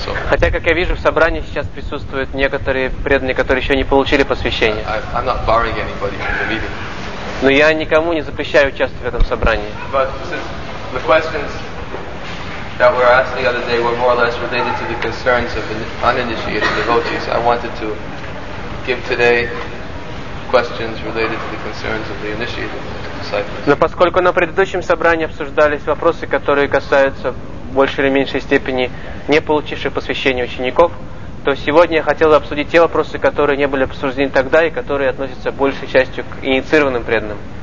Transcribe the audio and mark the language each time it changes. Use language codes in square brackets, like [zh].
[ru] Хотя, как я вижу, в собрании сейчас присутствуют некоторые преданные, которые еще не получили посвящение. [en] I'm not barring anybody from the meeting. [ru] Но я никому не запрещаю участвовать в этом собрании. [en] But the questions that were asked the other day were more or less related to the concerns of uninitiated devotees. I wanted to give today questions related to the concerns of the initiated disciples. [ru] Но поскольку на предыдущем собрании обсуждались вопросы, которые касаются большей или меньшей степени не получивших посвящение учеников, то сегодня я хотел бы обсудить те вопросы, которые не были обсуждены тогда и которые относятся большей частью к инициированным преданным.